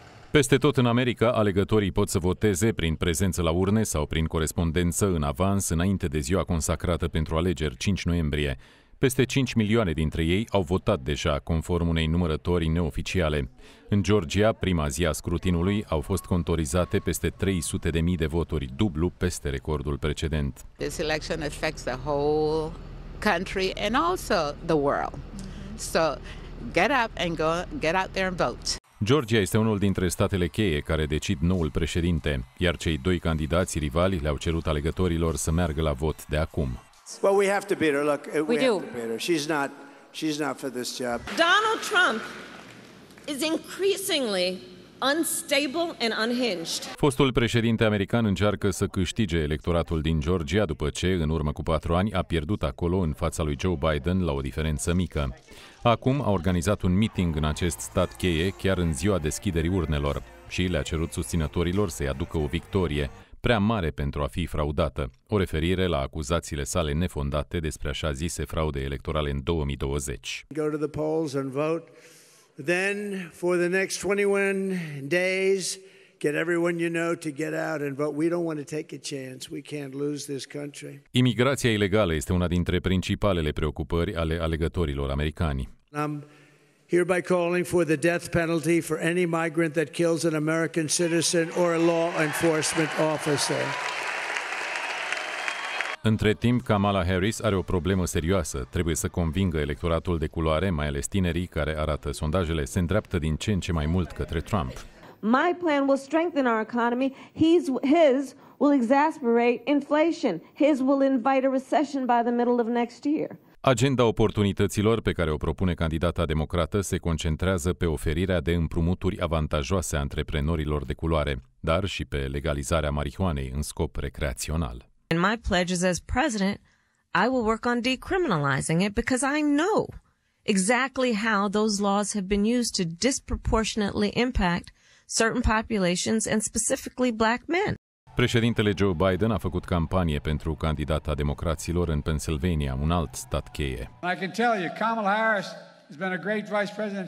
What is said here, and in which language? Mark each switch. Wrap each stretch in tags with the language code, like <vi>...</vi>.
<ro>Peste tot în America, alegătorii pot să voteze prin prezență la urne sau prin corespondență în avans, înainte de ziua consacrată pentru alegeri, 5 noiembrie. Peste 5 milioane dintre ei au votat deja, conform unei numărători neoficiale. În Georgia, prima zi a scrutinului, au fost contorizate peste 300.000 de voturi, dublu peste recordul precedent.</ro> <en>This election affects the whole country and also the world. So, get up and go, get out there and vote.</en> <ro>Georgia este unul dintre statele cheie care decid noul președinte, iar cei doi candidați rivali le-au cerut alegătorilor să meargă la vot de acum.</ro> <en>Well, we have to beat her. Look, we have to beat her. She's not for this job. Donald Trump is increasingly unstable and unhinged.</en> <ro>Fostul președinte american încearcă să câștige electoratul din Georgia după ce, în urmă cu 4 ani, a pierdut acolo în fața lui Joe Biden la o diferență mică. Acum a organizat un meeting în acest stat cheie, chiar în ziua deschiderii urnelor, și le-a cerut susținătorilor să-i aducă o victorie prea mare pentru a fi fraudată, o referire la acuzațiile sale nefondate despre așa zise fraude electorale în 2020.</ro> <en>Go to the polls and vote. Then, for the next 21 days, get everyone you know to get out and vote. We don't want to take a chance. We can't lose this country.</en> <ro>Imigrația ilegală este una dintre principalele preocupări ale alegătorilor americani.</ro> <en>Hereby calling for the death penalty for any migrant that kills an American citizen or a law enforcement officer.</en> <ro>Între timp, Kamala Harris are o problemă serioasă. Trebuie să convingă electoratul de culoare, mai ales tinerii, care, arată sondajele, se îndreaptă din ce în ce mai mult către Trump.</ro> <en>My plan will strengthen our economy. His will exasperate inflation. His will invite a recession by the middle of next year.</en> <ro>Agenda oportunităților pe care o propune candidata democrată se concentrează pe oferirea de împrumuturi avantajoase a antreprenorilor de culoare, dar și pe legalizarea marihuanei în scop recreațional.</ro> <en>In my pledges as president, I will work on decriminalizing it because I know exactly how those laws have been used to disproportionately impact certain populations and specifically black men.</en> <ro>Președintele Joe Biden a făcut campanie pentru candidata democraților în Pennsylvania, un alt stat cheie.</ro> <en>I can tell you, Kamala Harris has been a great vice president.</en>